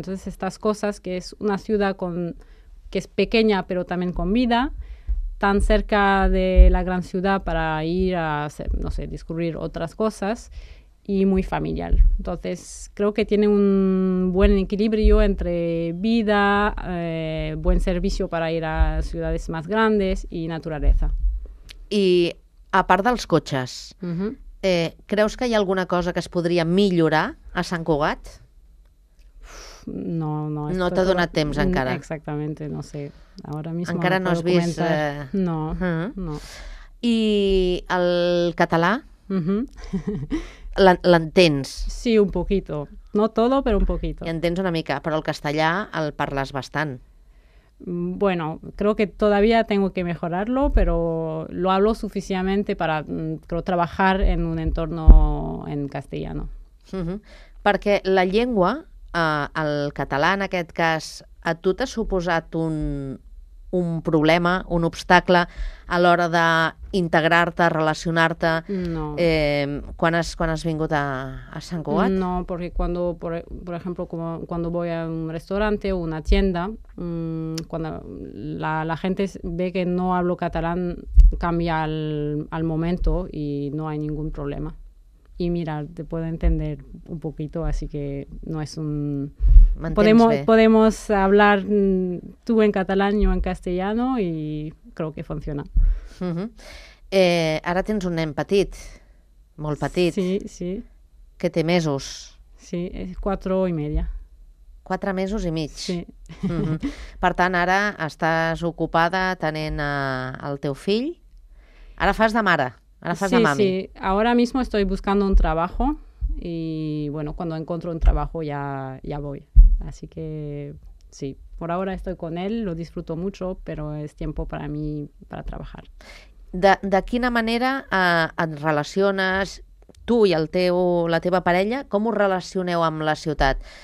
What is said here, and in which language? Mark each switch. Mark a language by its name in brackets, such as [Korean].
[Spanish] Entonces estas cosas, que es una ciudad que es pequeña pero también con vida, tan cerca de la gran ciudad para ir a, no sé, descubrir otras cosas, y muy familiar. Entonces, creo que tiene un buen equilibrio entre vida, buen servicio para ir a ciudades más grandes y naturaleza. [Catalan] I a part dels cotxes, creus que hi ha alguna cosa que es podria millorar a Sant Cugat? No. No t'ha donat temps encara. Exactament, no sé. [Spanish] Ahora mismo [Catalan] encara no has vist... No. I el català? L'entens? [Spanish] Sí, un poquito. No todo, pero un poquito. [Catalan] I entens una mica, però el castellà el parles bastant. [Spanish] Bueno, creo que todavía tengo que mejorarlo, pero lo hablo suficientemente para, creo, trabajar en un entorno en castellano. [Catalan] Perquè la llengua, el català en aquest cas, a tu t'ha suposat un problema, un obstacle a l'hora d'integrar-te, relacionar-te, no. quan has vingut a Sant Cugat? [Spanish] No, porque cuando, por ejemplo, cuando voy a un restaurante o una tienda, cuando la gente ve que no hablo catalán, cambia al momento y no hay ningún problema. Y mira, te puedo entender un poquito, así que no es un... Podemos hablar tú en catalán, yo en castellano, y creo que funciona. [Catalan] Ara tens un nen petit, molt petit. Sí, sí. Que té mesos. [Spanish] Sí, 4 i media. [Catalan] 4 mesos i mig. Sí. Per tant, ara estàs ocupada tenint el teu fill. Ara fas de mare. Sí, sí. [Spanish] Ahora mismo estoy buscando un trabajo y, bueno, cuando encuentro un trabajo ya voy. Así que, sí, por ahora estoy con él, lo disfruto mucho, pero es tiempo para mí para trabajar. [Catalan] De quina manera et relaciones? tu i el teu, la teva parella, com us relacioneu amb la ciutat?